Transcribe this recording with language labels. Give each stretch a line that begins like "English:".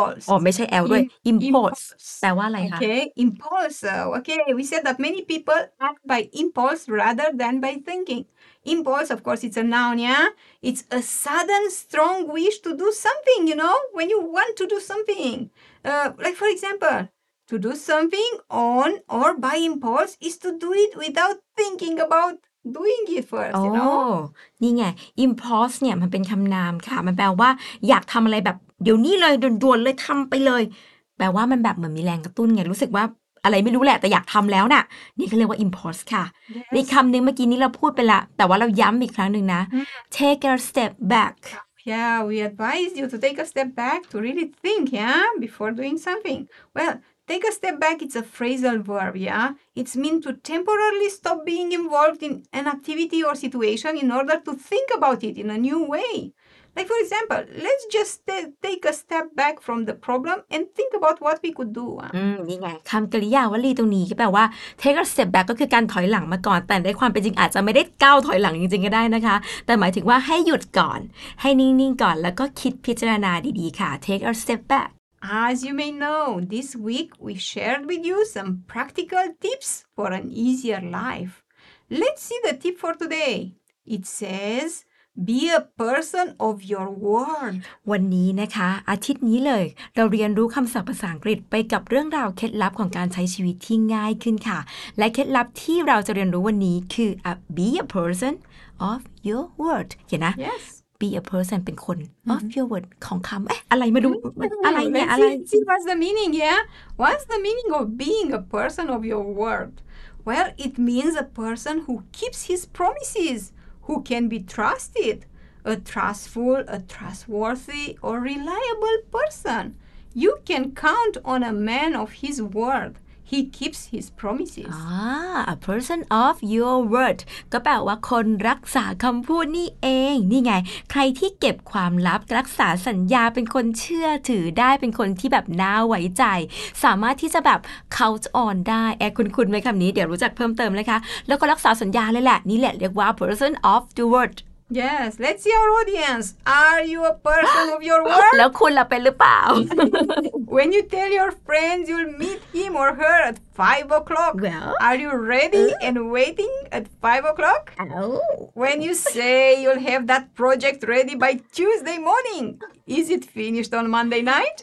Thai: อ๋อไม่ใช่ L ด้วย impulse แปลว่าอะไรคะ
English: impulse okay we said that many people act by impulse rather than by thinkingImpulse, of course, it's a noun, yeah? It's a sudden, strong wish to do something, you know? When you want to do something. Like, for example, to do something on or by impulse is to do it without thinking about doing it first, you know?
Thai: นี่ไง impulse เนี่ยมันเป็นคำนามค่ะมันแปลว่าอยากทำอะไรแบบเดี๋ยวนี้เลยด่วนๆเลยทำไปเลยแปลว่ามันแบบเหมือนมีแรงกระตุ้นไงรู้สึกว่าอะไรไม่รู้แหละแต่อยากทำแล้วน่ะนี่เขาเรียกว่า impulse ค่ะ
English: yes.
Thai: ในคำนึงเมื่อกี้นี้เราพูดไปละแต่ว่าเราย้ำอีกครั้งนึงนะ
English: take a step back yeah we advise you to take a step back to really think yeah before doing something well take a step back it's a phrasal verb yeah it's mean to temporarily stop being involved in an activity or situation in order to think about it in a new wayLike, for example, let's just take a step back from the problem and think about what we could do.
Thai: นี่ไงคำกริยาวลีตรงนี้ก็แปลว่า
English: take a step back
Thai: ก็คือการถอยหลังมาก่อนแต่ในความเป็นจริงอาจจะไม่ได้ก้าวถอยหลังจริงๆก็ได้นะคะแต่หมายถึงว่าให้หยุดก่อนให้นิ่งๆก่อนแล้วก็คิดพิจารณาดีๆค่ะ take a step back.
English: As you may know, this week we shared with you some practical tips for an easier life. Let's see the tip for today. It says... Be a person of your word.
Thai: วันนี้นะคะอาทิตย์นี้เลยเราเรียนรู้คำศัพท์ภาษาอังกฤษไปกับเรื่องราวเคล็ดลับของการใช้ชีวิตที่ง่ายขึ้นค่ะและเคล็ดลับที่เราจะเรียนรู้วันนี้คือ
English: be a person of your word
Thai: เห็นนะ
English: Yes. Be a person
Thai: เป็นคน
English: of your word
Thai: ของคำเอ๊ะอะไรมาดู อะไรเนี่ยอะไร
English: See what's the meaning yeah What's the meaning of being a person of your word Well it means a person who keeps his promises. Who can be trusted? A trustful, a trustworthy, or reliable person. You can count on a man of his word. He keeps his promises. A person of your word.
Thai: ก็แปลว่าคนรักษาคำพูดนี่เองนี่ไงใครที่เก็บความลับรักษาสัญญาเป็นคนเชื่อถือได้เป็นคนที่แบบน่าไว้ใจสามารถที่จะแบบ count on ได้แอบคุ้นๆไหมคำนี้เดี๋ยวรู้จักเพิ่มเติมเลยค่ะแล้วก็รักษาสัญญาเลยแหละนี่แหละเรียกว่า
English: person of the word yes let's see our audience are you a person of your word
Thai: แล้วคุณล่ะเป็นหรือเปล่า
English: when you tell your friends you'll meet him or her at 5 o'clock well are you ready and waiting at 5 o'clock oh when you say you'll have that project ready by Tuesday morning is it finished on Monday night